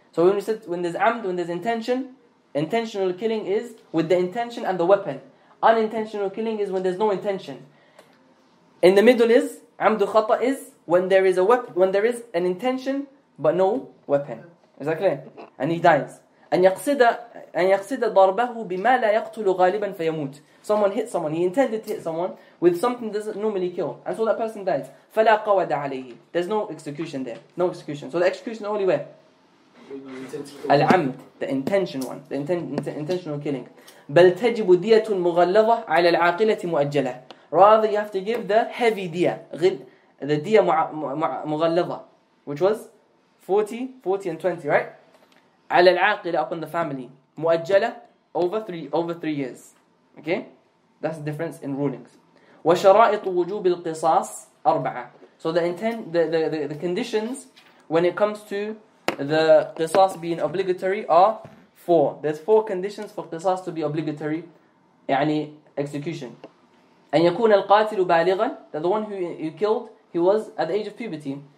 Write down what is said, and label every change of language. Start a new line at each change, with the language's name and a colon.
English: So when we said when there's amd, when there's intention, intentional killing is with the intention and the weapon. Unintentional killing is when there's no intention. In the middle is amdu khata is when there is a when there is an intention but no weapon. Is that clear? And he dies.
Arabic: أن يقصد ضربه بما لا يقتل غالبا فيموت.
English: Someone hit someone. He intended to hit someone with something that doesn't normally kill, and so that person dies.
Arabic: فلا قود عليه.
English: There's no execution there. No execution. So the execution only where. العمد, the intention one, the intentional killing.
Arabic: بل تجب دية مغلظة على العاقلة مؤجلة.
English: Rather, you have to give the heavy دية. The دية مغلظة, which was 40 and 20, right?
Arabic: على العاقلة,
English: upon the family. مؤجلة, over three years. Okay? That's the difference in rulings.
Arabic: وشرائط وجوب القصاص أربعة.
English: So the conditions when it comes to the قصاص being obligatory are four. There's four conditions for قصاص to be obligatory, يعني execution.
Arabic: أن يكون القاتل بالغا,
English: that the one who killed, he was at the age of puberty.